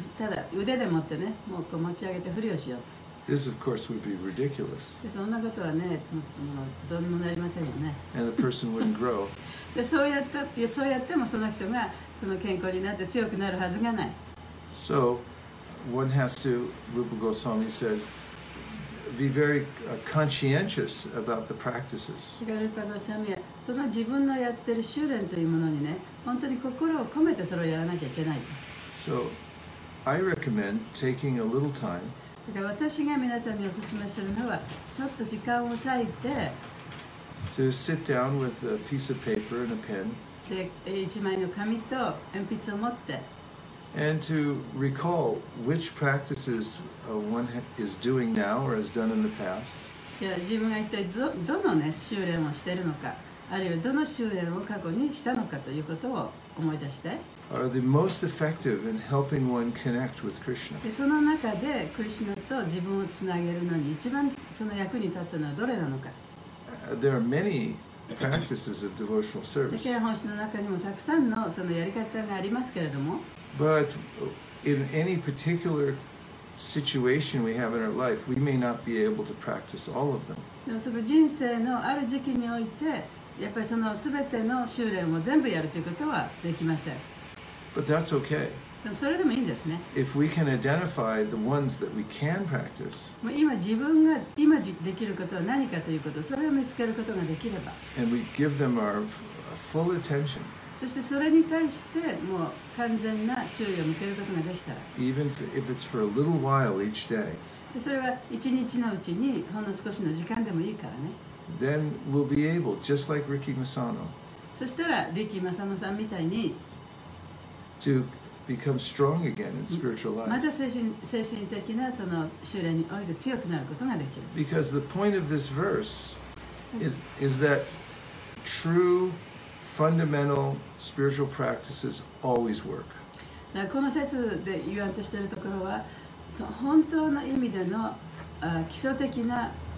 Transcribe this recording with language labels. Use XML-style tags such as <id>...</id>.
<ja>ただ腕で持ってね、もうこう持ち上げて振りをしようと。</ja> <en>This of course would be ridiculous.</en> <ja>でそんなことはね、もうどうにもなりませんよね。</ja> <en>And the person wouldn't grow.</en> <ja>でそうやってもその人がその健康になって強くなるはずがない。</ja> <en>So one has to, Rupa Goswami said,be very conscientious about the practices.</en> <ja>その自分のやってる修練というものにね、本当に心を込めてそれをやらなきゃいけない。</ja> <en>So, I recommend taking a little time.</en> <ja>だから私が皆さんにお勧めするのは、ちょっと時間を割いて、</ja> <en>to sit down with a piece of paper and a pen.</en> <ja>で、一枚の紙と鉛筆を持って、</ja> <en>and to recall which practices one is doing now or has done in the past.</en> <ja>じゃあ自分が一体どのね修練をしているのか、あるいはどの修練を過去にしたのかということを思い出して。</ja> <en>Are the most effective in helping one connect with Krishna.</en> <ja>でその中でクリシュナと自分をつなげるのに一番その役に立ったのはどれなのか。</ja> <en>There are many practices of devotional service.</en> <ja>啓蒙の中にもたくさんのそのやり方がありますけれども。</ja> <en>But in any particular situation we have in our life, we may not be able to practice all of them.</en> <ja>その人生のある時期において、やっぱりその全ての修練を全部やるということはできません。</ja> <en>But that's okay.</en> <ja>でもそれでもいいんですね。</ja> <en>If we can identify the ones that we can practice,</en> <ja>今できることは何かということ、それを見つけることができれば。</ja> <en>And we give them our full attention.</en> <ja>そしてそれに対してもう完全な注意を向けることができたら</ja> <en>Even if it's for a little while each day,</en> <ja>それは一日のうちにほんの少しの時間でもいいからね</ja> <en>Then we'll be able, just like Ricky Masano,</en> <ja>そしたらリッキー・マサノさんみたいに</ja> <en>to become strong again in spiritual life.</en> <ja>また精神的なその修練において強くなることができる</ja> <en>Because the point of this verse is that trueFundamental spiritual practices always work.</en> <ja>だからこの説で言わんとしているところは、その本当の意味での基礎的な、</ja>